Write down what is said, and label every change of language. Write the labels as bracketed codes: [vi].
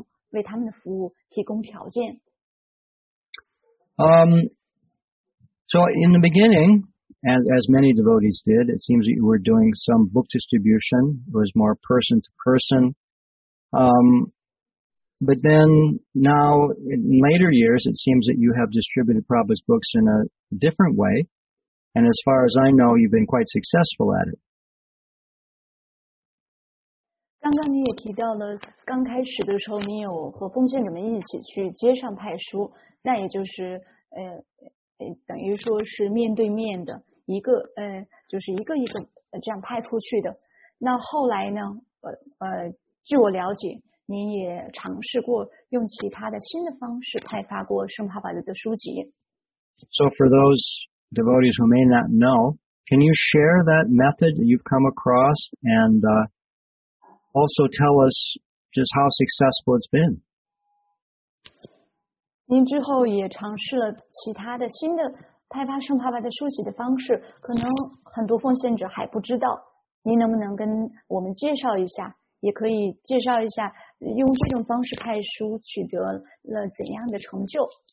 [zh] 我之所以这么说呢，因为这也是我实际亲眼看到的，因为我们也认识很多年了，从中国使命的早期我们就认识了，而且我也经常去上海。我实际的亲眼看到您和尤达曼纽帕布通常都特别的精心的在照顾着奉献者，而且在配合着他们的服务，总是在确保他们的服务能够正常的进行，为他们的服务提供条件。 [en] So in the beginning, as many devotees did, it seems that you were doing some book distribution. It was more person to person. But then now, in later years, it seems that you have distributed Prabhupada's books in a different way. And as far as I know, you've been quite successful at it. [zh] 刚刚你也提到了，刚开始的时候你有和奉献者们一起去街上派书，那也就是等于说是面对面的一个就是一个一个这样派出去的。那后来呢，据我了解，您也尝试过用其他的新的方式派发过圣帕巴德的书籍。 [en] So for those devotees who may not know, can you share that method that you've come across and also tell us just how successful it's been? [zh] 您之后也尝试了其他的新的派发圣帕巴德书籍的方式，可能很多奉献者还不知道，您能不能跟我们介绍一下，也可以介绍一下用这种方式派书取得了怎样的成就。